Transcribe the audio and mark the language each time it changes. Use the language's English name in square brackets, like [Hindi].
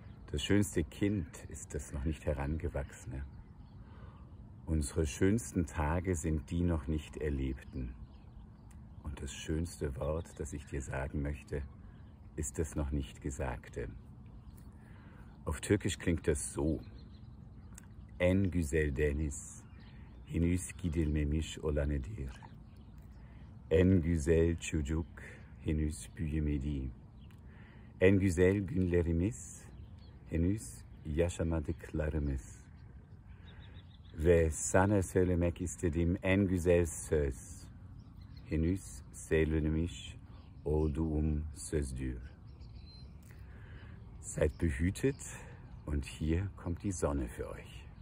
[German] Das schönste Kind ist das noch nicht Herangewachsene. Unsere schönsten Tage sind die noch nicht Erlebten. Und das schönste Wort, das ich dir sagen möchte, ist das noch nicht Gesagte. Auf Türkisch klingt das so. [Turkish] En güzel deniz, henüz gidilmemiş olanıdır. En güzel çocuk, henüz büyümedi. En güzel günlerimiz, henüz yaşamadıklarımız. Ve sana söylemek istediğim en güzel söz, henüz söylenmiş olduğum sözdür. [German] Seid behütet und hier kommt die Sonne für euch.